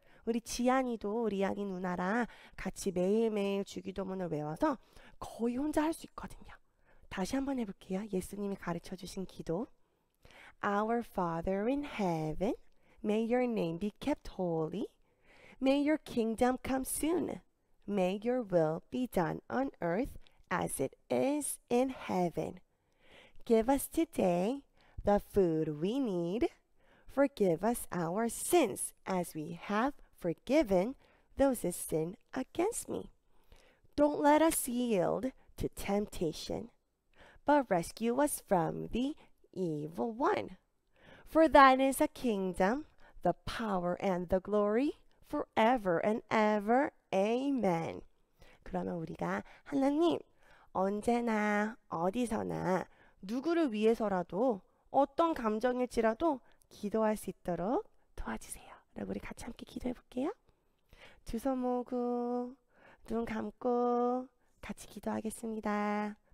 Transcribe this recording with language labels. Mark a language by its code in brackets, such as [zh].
[ko] 우리 지안이도 리안이 누나랑 같이 매일매일 주기도문을 외워서 거의 혼자 할 수 있거든요. 다시 한번 해볼게요. 예수님이 가르쳐 주신 기도. [en] Our Father in heaven, May your name be kept holy. May your kingdom come soon. May your will be done on earth as it is in heaven. Give us today the food we need. Forgive us our sins as we have forgiven those who sin against me. Don't let us yield to temptation, but rescue us from the evil one. For thine is the kingdom, the power and the glory forever and ever. Amen. [ko] 그러면 우리가 하나님 언제나 어디서나 누구를 위해서라도 어떤 감정일지라도 기도할 수 있도록 도와주세요. 그럼 우리 같이 함께 기도해 볼게요. 두 손 모으고 눈 감고 같이 기도하겠습니다.